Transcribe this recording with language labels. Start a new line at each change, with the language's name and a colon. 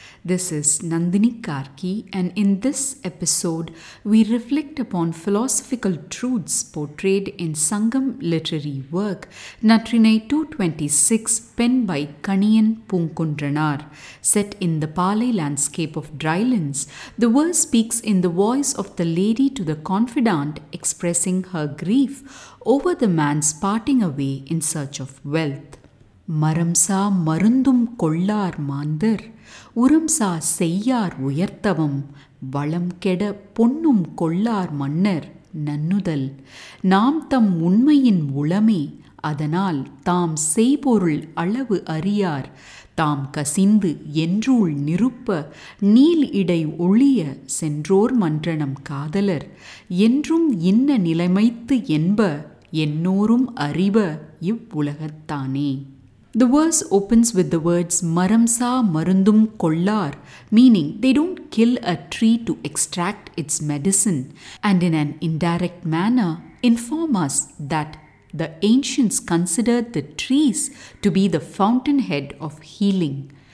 English: This is Nandini Karki, and in this episode, we reflect upon philosophical truths portrayed in Sangam literary work Natrinai 226, penned by Kaniyan Poongundranaar. Set in the Paalai landscape of drylands, the verse speaks in the voice of the lady to the confidante, expressing her grief over the man's parting away in search of wealth.
Tamil: மரம்சா மருந்தும் கொள்ளார் மாந்தர் உரம்சா செய்யார் உயர்த்தவம் வளம் கெட பொன்னும் கொள்ளார் மன்னர் நன்னுதல் நாம் தம் உண்மையின் உளமே அதனால் தாம் செய்பொருள் அளவு அறியார் தாம் கசிந்து என்றுள் நிருப்ப நீல் இடை ஒளிய சென்றோர் மன்றனம் காதலர் என்றும் இன்ன நிலைமைத்து என்ப என்னோரும் அறிவ இவ்வுலகத்தானே.
English: The verse opens with the words
Tamil: maramsa marundum kollar,
English: meaning they don't kill a tree to extract its medicine, and in an indirect manner inform us that the ancients considered the trees to be the fountainhead of healing.